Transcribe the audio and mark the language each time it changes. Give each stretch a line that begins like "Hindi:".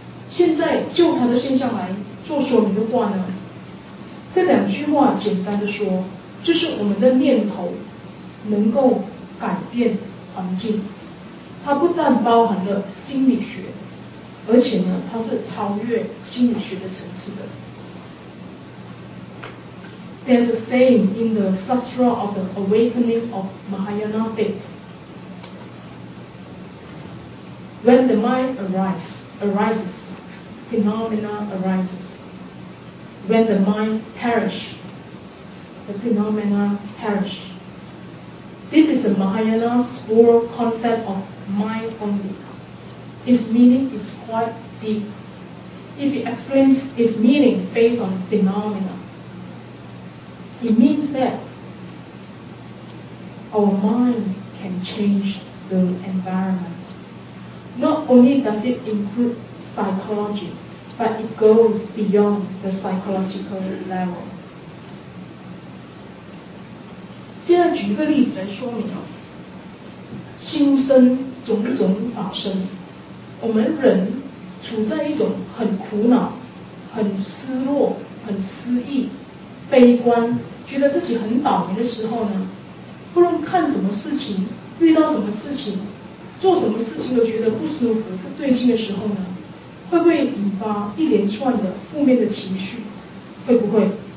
Chinese: 现在就它的现象来做说明的话呢，这两句话简单的说，就是我们的念头能够改变环境，它不但包含了心理学，而且呢，它是超越心理学的层次的。
English: There's a saying in the Sutra of the Awakening of Mahayana Faith. When the mind arises, phenomena arises. When the mind perish, the phenomena perish. This is a Mahayana school concept of mind only. Its meaning is quite deep. If it explains its meaning based on phenomena, it means that our mind can change the environment. Not only does it include psychology, but it goes beyond the psychological level.
Chinese: 现在举一个例子来说明啊，心生种种法生，我们人处在一种很苦恼、很失落、很失意、悲观，觉得自己很倒霉的时候呢，不论看什么事情、遇到什么事情、做什么事情都觉得不舒服、不对劲的时候呢，会不会引发一连串的负面的情绪？会不会？